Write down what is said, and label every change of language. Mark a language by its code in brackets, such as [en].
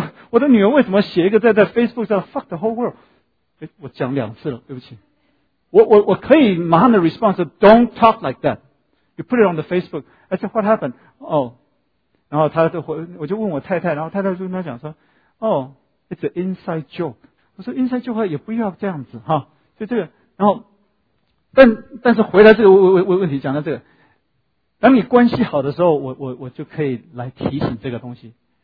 [zh] 我的女儿为什么写一个在 Facebook 上 [en] fuck the whole world？ [zh] 我讲两次了，对不起。我可以马上的 response [en] don't talk like that， you put it on the Facebook。 I said what happened？ [zh] 然后他就我就问我太太，然后太太就跟他讲说， [en] It's an inside joke. [zh] 我说 inside joke 也不要这样子哈，就这个。然后，但是回来这个问题讲到这个，当你关系好的时候，我就可以来提醒这个东西。